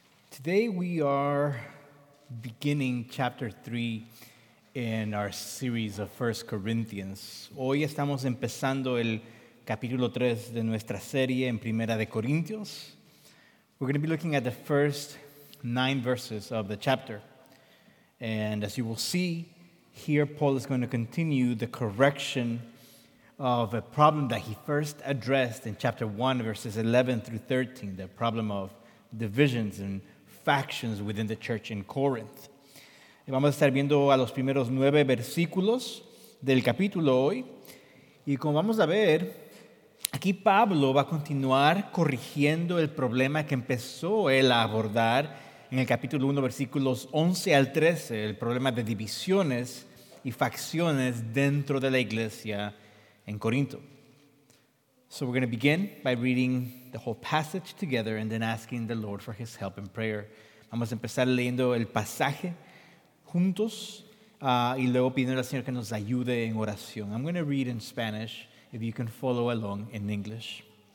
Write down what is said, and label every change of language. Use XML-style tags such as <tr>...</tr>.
<en>Today we are beginning chapter 3 in our series of 1 Corinthians.</en> <es>Hoy estamos empezando el capítulo 3 de nuestra serie en Primera de Corintios.</es> <en>We're going to be looking at the first 9 verses of the chapter. And as you will see, here Paul is going to continue the correction of a problem that he first addressed in chapter 1, verses 11 through 13, the problem of divisions and factions within the church in Corinth.</en> <es>Y vamos a estar viendo a los primeros 9 versículos del capítulo hoy. Y como vamos a ver, aquí Pablo va a continuar corrigiendo el problema que empezó él a abordar en el capítulo 1, versículos 11 al 13, el problema de divisiones y facciones dentro de la iglesia en Corinto.</es> <en>So we're going to begin by reading the whole passage together and then asking the Lord for his help in prayer.</en> <es>Vamos a empezar leyendo el pasaje juntos y luego pidiendo al Señor que nos ayude en oración.</es> <en>I'm going to read in Spanish if you can follow along in English.</en>